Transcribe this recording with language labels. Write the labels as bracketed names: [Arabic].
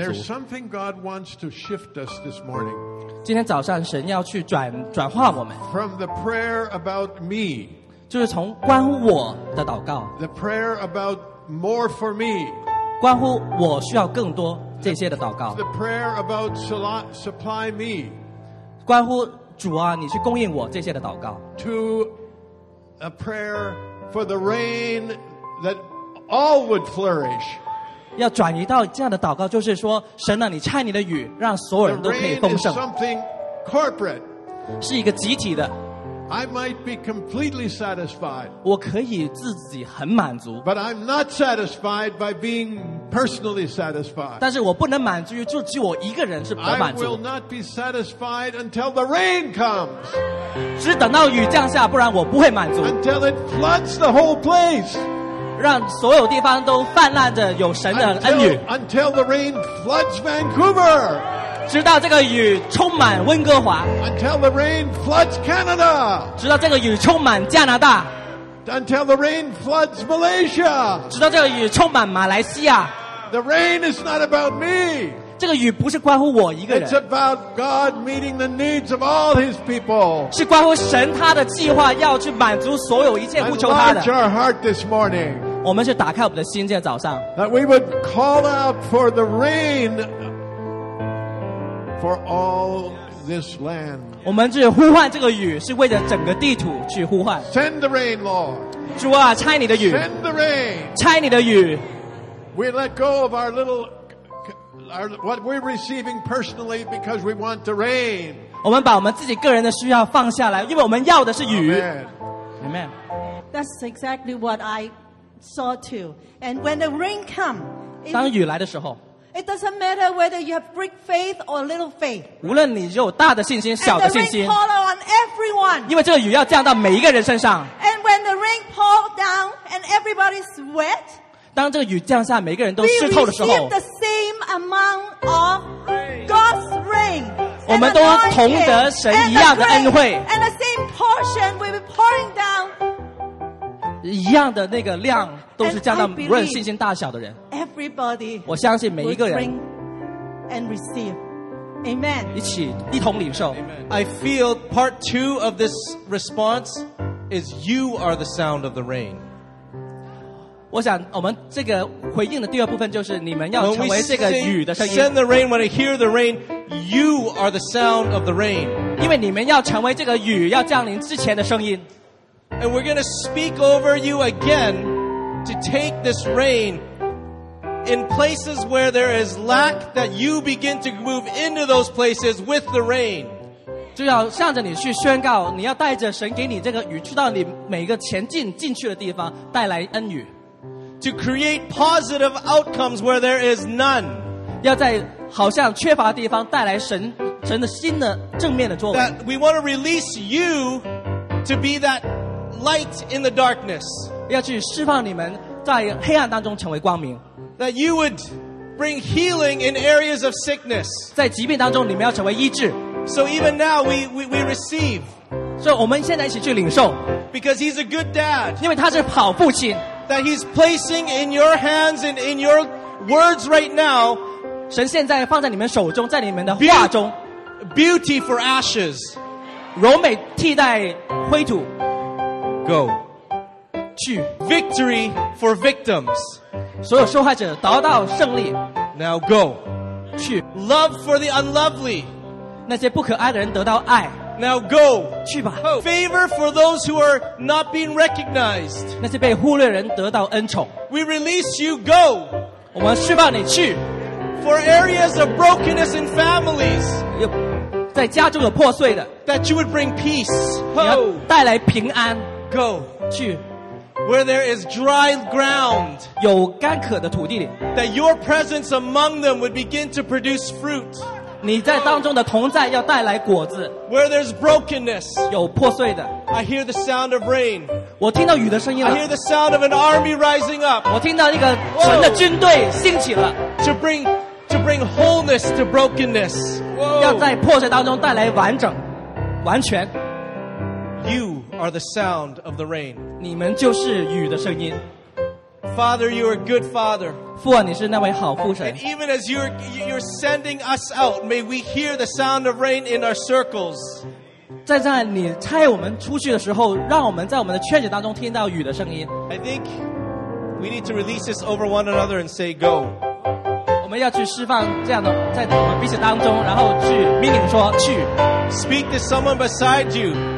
[English] There's something God wants to shift us this morning. [Chinese] 今天早上神要去转化我们。 [English] From the prayer about me. [Chinese] 就是从关乎我的祷告。 [English] The prayer about more for me. [Chinese] 关乎我需要更多这些的祷告。 [English] The prayer about supply me. [Chinese] 关乎主啊，你去供应我这些的祷告。 [English] To a prayer for the rain that all would flourish. [Chinese] 要转移到这样的祷告，就是说，神啊，你差你的雨，让所有人都可以丰盛。 [English] The rain is something corporate. [Chinese] 是一个集体的。 [English] I might be completely satisfied. [Chinese] 我可以自己很满足。 [English] But I'm not satisfied by being personally satisfied. [Chinese] 但是我不能满足于就只我一个人是不满足。 [English] I will not be satisfied until the rain comes. [Chinese] 只等到雨降下，不然我不会满足。 [English] Until it floods the whole place. [Chinese] 让所有地方都泛滥着有神的恩雨。 [English] Until the rain floods Vancouver. [Chinese] 直到这个雨充满温哥华。 [English] Until the rain floods Canada. [Chinese] 直到这个雨充满加拿大。 [English] Until the rain floods Malaysia. [Chinese] 直到这个雨充满马来西亚。 [English] The rain is not about me. [Chinese] 这个雨不是关乎我一个人。 [English] It's about God meeting the needs of all his people. [Chinese] 是关乎神他的计划要去满足所有一切呼求他的。 [English] And enlarge our heart this morning. [Chinese] 我们是打开我们的心，这早上。 [English] That we would call out for the rain for all this land. [Chinese] 我们是呼唤这个雨，是为了整个地图去呼唤。 [English] Send the rain, Lord. [Chinese] 主啊，差你的雨。 [English] Send the rain. [Chinese] 差你的雨。 [English] We let go of our little what we're receiving personally because we want the rain. [Chinese] 我们把我们自己个人的需要放下来，因为我们要的是雨。 [English] Amen. That's exactly what I saw too. And when the rain comes, [Chinese] 当雨来的时候。 [English] It doesn't matter whether you have great faith or little faith. [Chinese] 无论你有大的信心、小的信心。 [English] And the rain pour on everyone. [Chinese] 因为这个雨要降到每一个人身上。 [English] And when the rain pour down and everybody's wet, [Chinese] 当这个雨降下，每个人都湿透的时候。 [English] We receive the same amount of God's rain. [Chinese] 我们都同得神一样的恩惠。 [English] And the same portion will be pouring down. [Chinese] 一样的那个量。都是降到无论信心大小的人。我相信每一个人。 [English] And receive. Amen. [Chinese] 一同领受。 [English] I feel part two of this response is you are the sound of the rain. [Chinese] 我想我们这个回应的第二部分就是你们要成为这个雨的声音。 [English] Send the rain when I hear the rain, you are the sound of the rain. [Chinese] 因为你们要成为这个雨要降临之前的声音。 [English] And we're going to speak over you again. To take this rain in places where there is lack, that you begin to move into those places with the rain. [Chinese] 就要向着你去宣告，你要带着神给你这个雨，去到你每个前进去的地方，带来恩雨。 [English] To create positive outcomes where there is none. [Chinese] 要在好像缺乏的地方带来神的新的正面的作为。 [English] That we want to release you to be that light in the darkness. [Chinese] 要去释放你们在黑暗当中成为光明。 [English] That you would bring healing in areas of sickness. [Chinese] 在疾病当中，你们要成为医治。 [English] So even now we receive. [Chinese] 所以我们现在一起去领受。 [English] Because he's a good dad. [Chinese] 因为他是好父亲。 [English] That he's placing in your hands and in your words right now. [Chinese] 神现在放在你们手中，在你们的话中。 [English] Beauty for ashes. [Chinese] 柔美替代灰土。 [English] Go. Victory for victims. [Chinese] 所有受害者得到胜利。 [English] Now go. [Chinese] 去。 [English] Love for the unlovely. [Chinese] 那些不可爱的人得到爱。 [English] Now go. [Chinese] 去吧。 [English] Favor for those who are not being recognized. [Chinese] 那些被忽略人得到恩宠。 [English] We release you, go. [Chinese] 我们释放你去。 [English] For areas of brokenness in families. [Chinese] 在家中有破碎的。 [English] That you would bring peace. [Chinese] 你要带来平安。 [English] Go. [Chinese] 去。 [English] Where there is dry ground, [Chinese] 有干渴的土地里 [English] that your presence among them would begin to produce fruit. [Chinese] 你在当中的同在要带来果子 [English] Where there's brokenness, [Chinese] 有破碎的 [English] I hear the sound of rain. [Chinese] 我听到雨的声音了 [English] I hear the sound of an army rising up. [Chinese] 我听到一个神的军队兴起了 [English] To bring wholeness to brokenness. [Chinese] 要在破碎当中带来完整，完全。 [English] You are the sound of the rain. [Chinese] 你们就是雨的声音。 [English] Father, you are a good father. [Chinese] 父啊，你是那位好父神。 [English] And even as you're sending us out, may we hear the sound of rain in our circles. [Chinese] 在你差我们出去的时候，让我们在我们的圈子当中听到雨的声音。 [English] I think we need to release this over one another and say go. [Chinese] 我们要去释放这样的在我们彼此当中，然后去命令说去。 [English] Speak to someone beside you.